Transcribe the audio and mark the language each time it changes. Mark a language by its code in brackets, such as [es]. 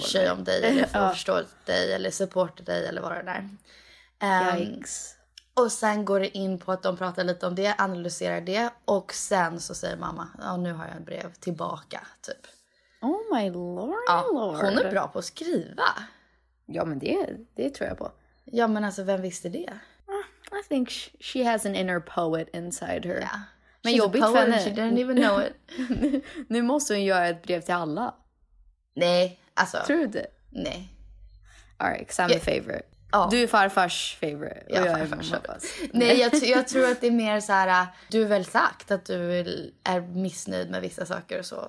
[sv] sig om dig eller förstår dig eller supportar dig eller vad det där. [en] Yikes. [sv] Och sen går det in på att de pratar lite om det, analyserar det och sen så säger mamma, nu har jag ett brev tillbaka typ. [en] Oh my lord. [sv] Ja, hon är bra på att skriva. Ja, men det tror jag på. Ja, men alltså, vem visste det? [en] I think she has an inner poet inside her. Yeah. [sv] Men jobbigt för henne. [en] She didn't even know it. [sv] Nu måste hon göra ett brev till alla. Nej, alltså. Tror du det? Nej. [en] All right, because I'm a favorite. [sv] Ja. Du är farfars favorite. Jag är farfars favorite. Nej, jag tror att det är mer så här, du har väl sagt att du är missnöjd med vissa saker och så.